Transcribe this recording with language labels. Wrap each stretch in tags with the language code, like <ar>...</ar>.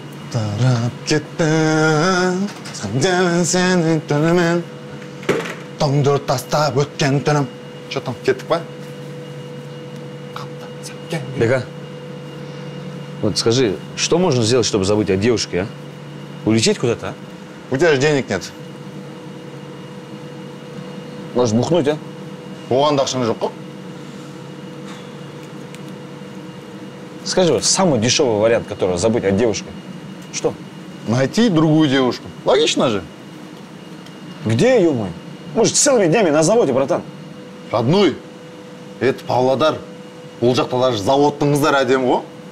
<kk>Тарап кетті, сәндемен сенің түнімен, тоңдыр тастап өткен түнім.</kk> <ru>Че там,</ru> <kk>кеттік ба?</kk> <ru>Бека, вот скажи, что можно сделать, чтобы забыть о девушке, а? Улететь куда-то, а? У тебя же денег нет. Можешь бухнуть, а?</ru> <kk>Оған да ақшаң жоқ.</kk> <ru>Скажи, вот самый дешевый вариант, который забыть о девушке. Что? Найти другую девушку. Логично же. Где, ё-моё? Мы же целыми днями на заводе, братан. Родной, это Павлодар.</ru> <kk>Ол жақта даже заводтыңыздар әдемі ғо.</kk>